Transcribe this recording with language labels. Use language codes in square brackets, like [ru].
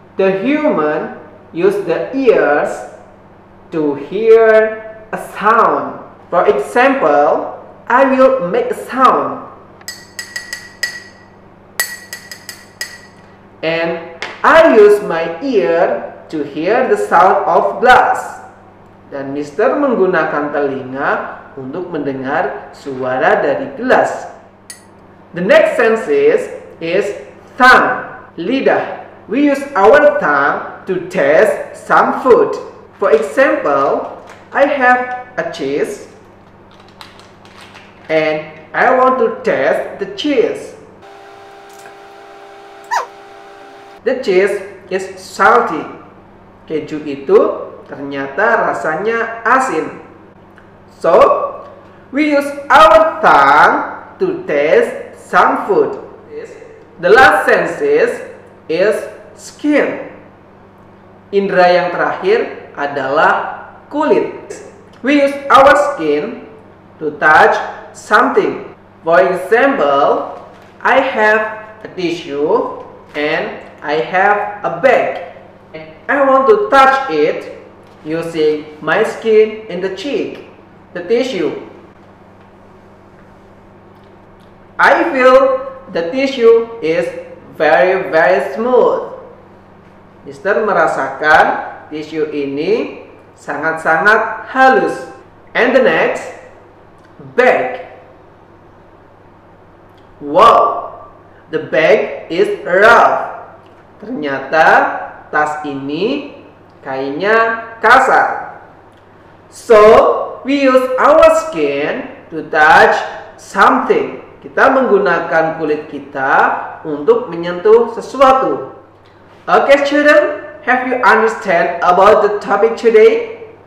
[en] The human use the ears to hear a sound. For example, I will make a sound. And I use my ear to hear the sound of glass. [id] Dan Mr. menggunakan telinga untuk mendengar suara dari gelas. [en] The next senses is tongue, lidah. We use our tongue to taste some food. For example, I have a cheese and I want to taste the cheese. The cheese is salty. [id] Keju itu ternyata rasanya asin. [en] So, we use our tongue to taste some food. The last senses is skin. [id] Indra yang terakhir adalah kulit. [en] We use our skin to touch something. For example, I have a tissue and I have a bag. I want to touch it using my skin in the cheek, the tissue. I feel the tissue is very, very smooth. [id] Mister merasakan tisu ini sangat-sangat halus. [en] And the next, bag. Wow, the bag is rough. [id] Ternyata tas ini kainnya kasar. [en] So, we use our skin to touch something. [id] Kita menggunakan kulit kita untuk menyentuh sesuatu. [en] Okay, student, have you understand about the topic today?